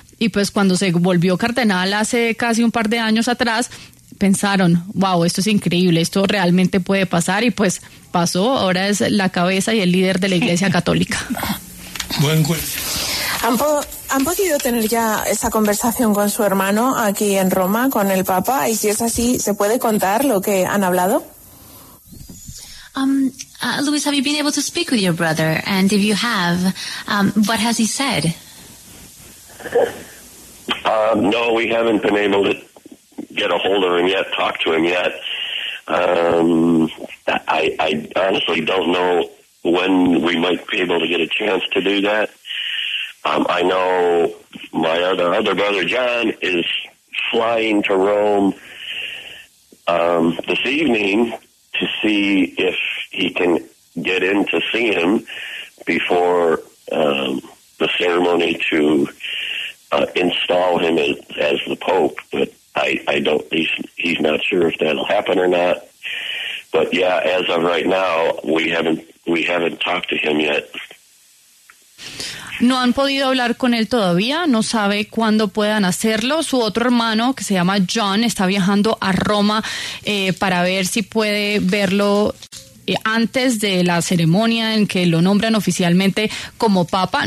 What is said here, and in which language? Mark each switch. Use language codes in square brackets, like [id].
[es] Y pues cuando se volvió cardenal hace casi un par de años atrás, pensaron, wow, esto es increíble, esto realmente puede pasar, y pues pasó, ahora es la cabeza y el líder de la Iglesia Católica. Buen cuento. ¿Han podido tener ya esa conversación con su hermano aquí en Roma, con el papa? Y si es así, ¿se puede contar lo que han hablado? [en] Luis, have you been able to speak with your brother? And if you have, what has he said? No, we haven't been able to get a hold of him yet, talk to him yet. I honestly don't know when we might be able to get a chance to do that. I know my other brother, John, is flying to Rome this evening to see if he can get in to see him before the ceremony to install him as the Pope. But I don't, he's not sure if that'll happen or not. But yeah, as of right now, we haven't talked to him yet. [es] No han podido hablar con él todavía, no sabe cuándo puedan hacerlo. Su otro hermano, que se llama John, está viajando a Roma para ver si puede verlo antes de la ceremonia en que lo nombran oficialmente como papa.